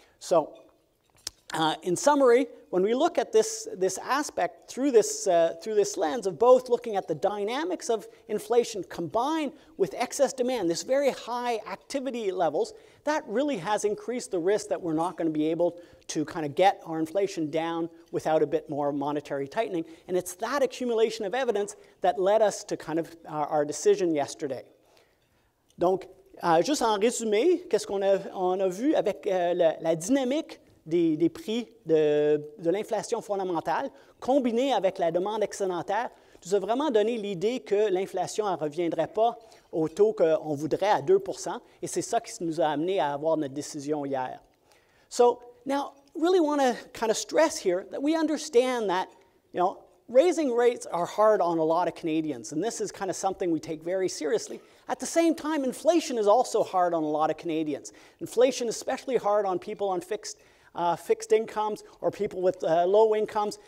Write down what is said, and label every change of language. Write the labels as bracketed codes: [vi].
[en] So in summary, when we look at this aspect through this lens of both looking at the dynamics of inflation combined with excess demand, this very high activity levels, that really has increased the risk that we're not going to be able to kind of get our inflation down without a bit more monetary tightening. And it's that accumulation of evidence that led us to kind of our decision yesterday. [fr] Donc, juste en résumé, qu'est-ce qu'on a vu avec la dynamique des prix de l'inflation fondamentale, combiné avec la demande excédentaire, nous a vraiment donné l'idée que l'inflation ne reviendrait pas au taux qu'on voudrait à 2%, et c'est ça qui nous a amené à avoir notre décision hier. [en] So, now, really want to kind of stress here that we understand that, you know, raising rates are hard on a lot of Canadians, and this is kind of something we take very seriously. At the same time, inflation is also hard on a lot of Canadians. Inflation is especially hard on people on fixed incomes or people with low incomes.